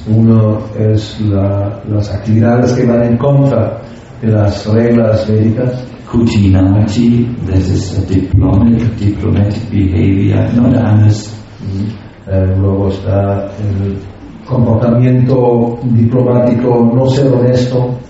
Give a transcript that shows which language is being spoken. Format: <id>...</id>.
<es>Uno es las actividades que van en contra de las reglas védicas.</es> <en>Kutinati, that is a diplomatic behavior, not honest.</en> <es>Luego está el comportamiento diplomático, no ser honesto.</es>